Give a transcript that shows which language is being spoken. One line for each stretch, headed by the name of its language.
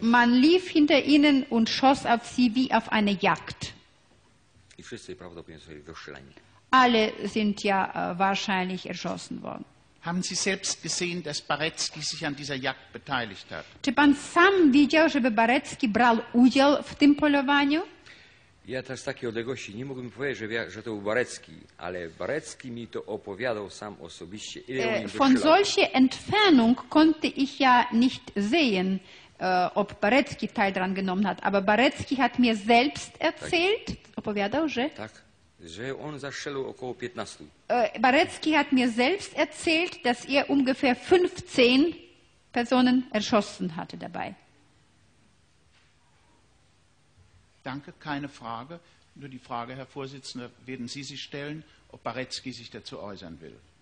German: Man lief hinter ihnen und schoss auf sie wie auf eine Jagd.
Polish: I wszyscy prawdopodobnie sobie wyszczelani.
German: Alle sind ja wahrscheinlich erschossen worden. Haben Sie selbst gesehen, dass Barecki sich an dieser Jagd beteiligt hat?
Polish: Czy pan sam widział, żeby Barecki brał udział w tym polowaniu? Ja też z takiej odległości nie mógłbym powiedzieć, że to był Barecki, ale Barecki mi to opowiadał sam osobiście. Ile on
German: von solcher Entfernung konnte ich ja nicht sehen, ob Barecki teil dran genommen hat. Aber Barecki hat mir selbst erzählt,
Polish: opowiadał, że... Tak, że on zastrzelił około 15.
German: Barecki hat mir selbst erzählt, dass ungefähr 15 Personen erschossen hatte dabei. Danke, keine Frage. Nur die Frage, Herr Vorsitzender, werden Sie sich stellen, ob Barecki sich dazu äußern will?